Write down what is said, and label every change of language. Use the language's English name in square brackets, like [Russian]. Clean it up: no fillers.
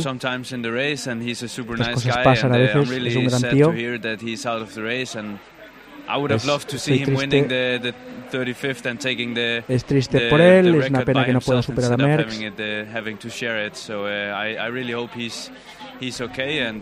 [English] Sometimes in the race, and he's a super nice guy. [Spanish] Estas cosas pasan a veces. [English] I'm really sad to hear that he's out of the race, and I would have loved to see him winning the 35th and taking the record by himself. [Spanish] Es triste por él, es una pena que no pueda superar a Merckx. [English] Having to share it, so I really hope he's okay and